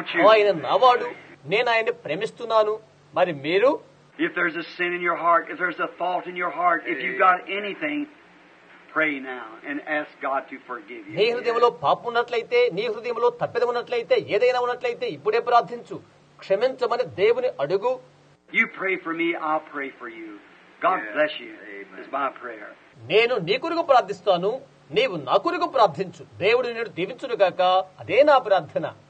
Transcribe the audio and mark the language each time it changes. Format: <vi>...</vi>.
<te>ఆయన నావాడు, నేను ఆయన్ని ప్రేమిస్తున్నాను. మరి మీరు</te> <en>if there's a sin in your heart, if there's a fault in your heart, if you've got anything, pray now and ask God to forgive you.</en> <te>నీ హృదయంలో పాపం ఉన్నట్లయితే, నీ హృదయంలో తప్పిదం ఉన్నట్లయితే, ఏదైనా ఉన్నట్లయితే ఇప్పుడే ప్రార్థించు, క్షమించమని దేవుని అడుగు.</te> <en>You pray for me, I'll pray for you. God bless you. It's my prayer.</en> <te>నేను నీ కొరకు ప్రార్థిస్తాను, నీవు నా కొరకు ప్రార్థించు, దేవుడు నిన్ను దీవించును గాక, అదే నా ప్రార్థన.</te>